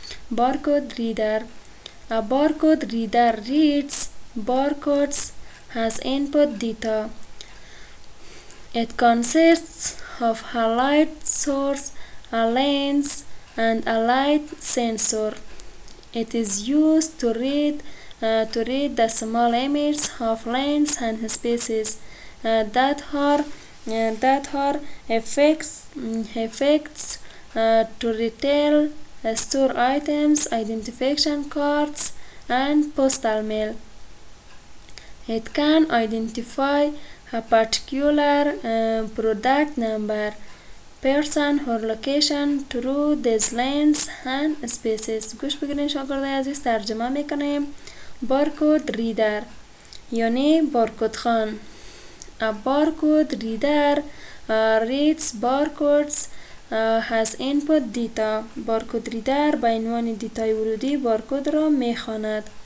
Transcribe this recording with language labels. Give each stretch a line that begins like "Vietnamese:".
English: Barcode reader, barcode reader reads barcodes as input data. It consists of a light source, a lens and a light sensor. It is used to read the small images of lands and spaces that are effects to retail store items, identification cards, and postal mail. It can identify a particular product number, person or location through these lanes and spaces.
Persian: گوش بگیرین شاگردای عزیز، ترجمه میکنیم. بارکود ریدر یعنی بارکود خوان.
English: A barcode reader reads barcodes has input data.
Persian: بارکود ریدر به عنوان دیتای ورودی بارکود را میخواند.